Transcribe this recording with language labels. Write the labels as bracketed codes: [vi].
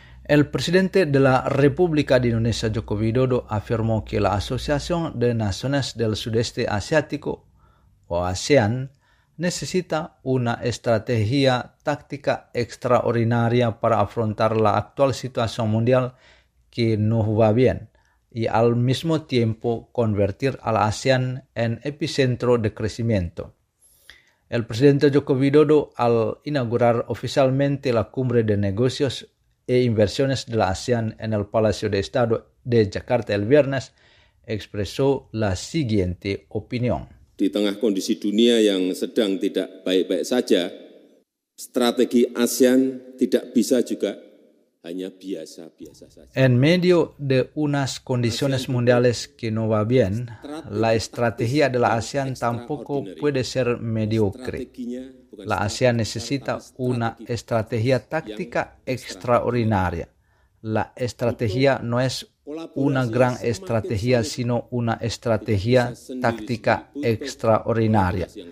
[es] El presidente de la República de Indonesia, Joko Widodo, afirmó que la Asociación de Naciones del Sudeste Asiático, o ASEAN, necesita una estrategia táctica extraordinaria para afrontar la actual situación mundial que no va bien, y al mismo tiempo convertir a la ASEAN en epicentro de crecimiento. El presidente Joko Widodo, al inaugurar oficialmente la cumbre de negocios e inversiones de la ASEAN en el Palacio de Estado de Jakarta el viernes, expresó la siguiente opinión. [id] Di tengah kondisi dunia yang sedang tidak baik-baik saja, strategi ASEAN tidak bisa juga hanya biasa-biasa saja. [es] En medio de unas condiciones mundiales que no va bien, la estrategia de la ASEAN tampoco puede ser mediocre. La ASEAN necesita una estrategia táctica extraordinaria. La estrategia no es una gran estrategia, sino una estrategia táctica extraordinaria.